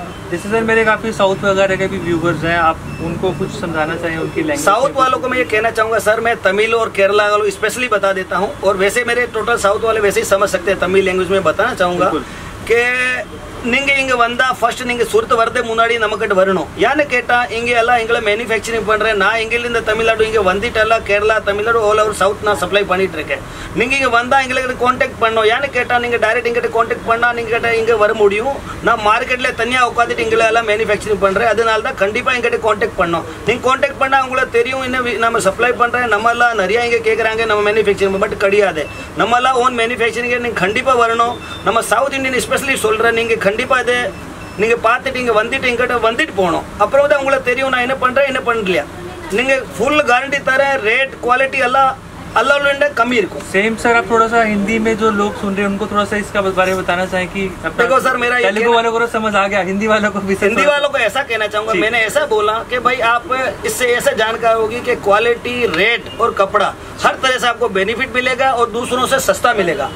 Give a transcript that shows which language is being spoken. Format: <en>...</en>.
<hi>जैसे सर मेरे काफी साउथ वगैरह के भी व्यूवर्स हैं, आप उनको कुछ समझाना चाहिए उनकी लैंग्वेज। साउथ वालों को मैं ये कहना चाहूंगा सर, मैं तमिल और केरला वालों स्पेशली बता देता हूँ, और वैसे मेरे टोटल साउथ वाले वैसे ही समझ सकते हैं, तमिल लैंग्वेज में बताना चाहूंगा के</hi> <ta>நீங்க இங்க வந்தா ஃபர்ஸ்ட் நீங்க சுருத்த வரதே முன்னாடி நமக்கிட்ட வரணும். யானை கேட்டா இங்க எல்லாம் எங்களை மேனுஃபேக்சரிங் பண்றேன், நான் எங்கிலிருந்து தமிழ்நாடு இங்க வந்துட்டா Kerala Tamil Nadu all over south நான் சப்ளை பண்ணிட்டு இருக்கேன், நீங்க இங்க வந்தா எங்களுக்கு கான்டாக்ட் பண்ணணும். யானை கேட்டா நீங்க டைரக்ட் எங்கிட்ட கான்டாக்ட் பண்ணா நீங்க கிட்ட இங்க வர முடியும், நான் மார்க்கெட்ல தனியா உட்காந்துட்டு இங்கே எல்லாம் மேனுஃபேக்சரிங் பண்றேன், அதனால தான் கண்டிப்பா எங்கிட்ட கான்டாக்ட் பண்ணோம். நீங்க கான்டாக்ட் பண்ணா உங்களுக்கு தெரியும் என்ன நம்ம சப்ளை பண்றேன், நம்ம எல்லாம் நிறைய இங்க கேட்கறாங்க நம்ம மேனுஃபேக்சரிங், பட் கிடையாது நம்ம எல்லாம் ஓன் மேனுஃபேக்சரிங், நீங்க கண்டிப்பா வரணும். நம்ம சவுத் இண்டியன் ஸ்பெஷலி சொல்றேன், நீங்க கண்டிப்பா இதே நீங்க பாத்துட்டு இங்க வந்துட்டு இங்கிட்ட வந்துட்டு போனோம், அப்புறம் தான் உங்களுக்கு தெரியும் நான் என்ன பண்றேன் என்ன பண்ணலையா. நீங்க ஃபுல் கேரண்டி தரேன், ரேட் குவாலிட்டி எல்லாம்</ta> <hi>कमी रखो सेम सर। आप थोड़ा सा हिंदी में जो लोग सुन रहे हैं उनको थोड़ा सा इसका बारे में बताना चाहें कि देखो सर मेरा तेलुगु वालों को समझ आ गया, हिंदी वालों को भी, हिंदी वालों को ऐसा कहना चाहूंगा, मैंने ऐसा बोला कि भाई आप इससे ऐसा जानकार होगी कि क्वालिटी रेट और कपड़ा हर तरह से आपको बेनिफिट मिलेगा और दूसरों से सस्ता मिलेगा,</hi>